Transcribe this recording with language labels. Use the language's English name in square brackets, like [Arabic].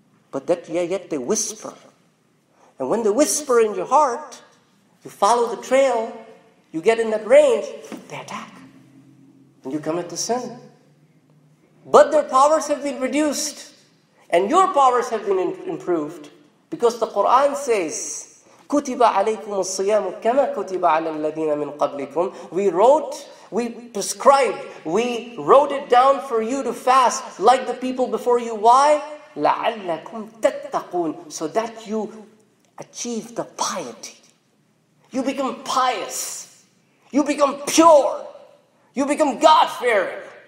[English] But that yet they whisper. And when they whisper in your heart, you follow the trail, you get in that range, they attack. And you commit the sin. But their powers have been reduced. And your powers have been improved. Because the Quran says, [Arabic] كُتِبَ عَلَيْكُمُ الصِّيَامُ كَمَا كُتِبَ عَلَى الَّذِينَ مِنْ قَبْلِكُمْ. [English] We wrote, we prescribed, we wrote it down for you to fast like the people before you. Why? [Arabic] لَعَلَّكُمْ تَتَّقُونَ. [English] So that you achieve the piety. You become pious. You become pure. You become God-fearing.